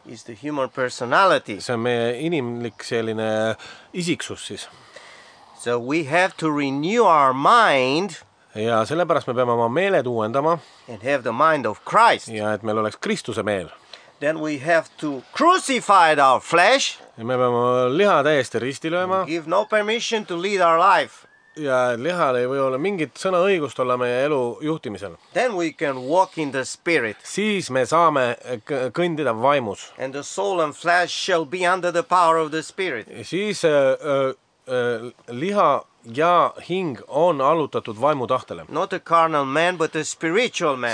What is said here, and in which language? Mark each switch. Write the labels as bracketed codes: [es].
[en] Is the human personality. [et] See on meie inimlik selline isiksus siis. [en] So we have to renew our mind. [et] Ja sellepärast me peame oma meeled uuendama. [en] And have the mind of Christ. [et] Ja et meil oleks Kristuse meel. [en] Then we have to crucify our flesh. [et] Ja me peame liha täiesti risti lööma. [en] Give no permission to lead our life. [et] Ja lihal ei või olla mingit sõna õigust olla meie elu juhtimisel. [en] Then we can walk in the spirit. [et] Siis me saame kõndida vaimus. [en] And the soul and flesh shall be under the power of the spirit. [et] Siis liha ja hing on allutatud vaimu tahtele. [en] Not a carnal man, but a spiritual man.